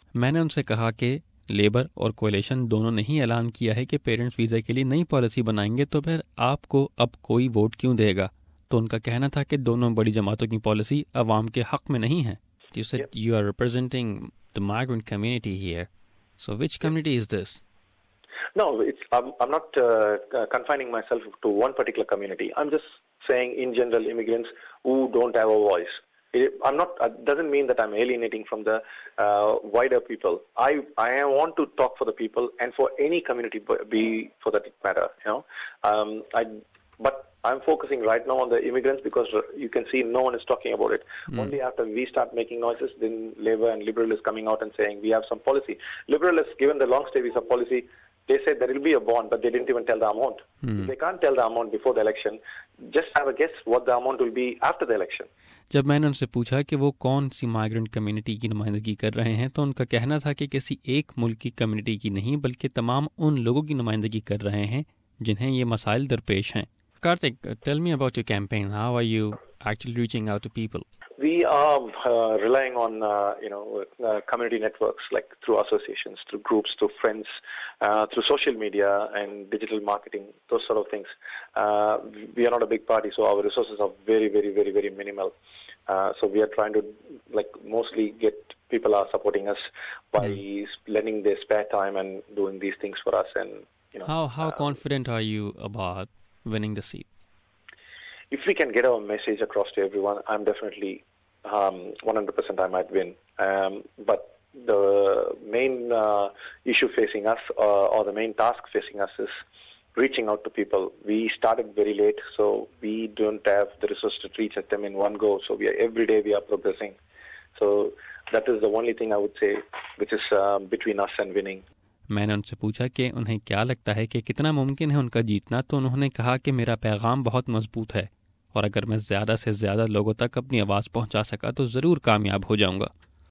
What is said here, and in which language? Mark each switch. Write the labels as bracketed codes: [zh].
[ur] میں نے ان سے کہا کہ لیبر اور کوئلیشن دونوں نے ہی اعلان کیا ہے کہ پیرنٹس ویزا کے لیے نئی پالیسی بنائیں گے, تو پھر آپ کو اب کوئی ووٹ کیوں دے گا؟ تو ان کا کہنا تھا کہ دونوں بڑی جماعتوں کی پالیسی عوام کے حق میں نہیں ہے. [en] You said you are representing the migrant community here. So which community is this? No, it's I'm not confining myself to one particular community. I'm just saying in general, immigrants who don't have a voice. It doesn't mean that I'm alienating from the wider people. I want to talk for the people and for any community, be for that matter. You know, but I'm focusing right now on the immigrants because you can see no one is talking about it. Mm. Only after we start making noises, then Labour and Liberal is coming out and saying we have some policy. Liberal has given the long stay visa policy. They said there will be a bond, but they didn't even tell the amount. Mm. They can't tell the amount before the election. Just have a guess what the amount will be after the election. [ur] جب میں نے ان سے پوچھا کہ وہ کون سی migrant community کی نمائندگی کر رہے ہیں تو ان کا کہنا تھا کہ کسی ایک ملک کی کمیونٹی کی نہیں بلکہ تمام ان لوگوں کی نمائندگی کر رہے ہیں جنہیں یہ مسائل درپیش ہیں. [en] Kartik, tell me about your campaign. How are you actually reaching out to people? We are relying on community networks, like through associations, through groups, through friends, through social media and digital marketing, those sort of things. We are not a big party, so our resources are very, very, very, very minimal. So we are trying to mostly get people are supporting us by lending their spare time and doing these things for us. And how confident are you about winning the seat? If we can get our message across to everyone, I'm definitely 100% I might win. But the main issue facing us, or the main task facing us, is reaching out to people. We started very late, so we don't have the resources to reach at them in one go. So every day we are progressing. So that is the only thing I would say, which is between us and winning. [ur] میں نے ان سے پوچھا کہ انہیں کیا لگتا ہے کہ کتنا ممکن ہے ان کا جیتنا, تو انہوں نے کہا کہ میرا پیغام بہت مضبوط ہے اور اگر میں زیادہ سے زیادہ لوگوں تک اپنی آواز پہنچا سکا تو ضرور کامیاب ہو جاؤں گا.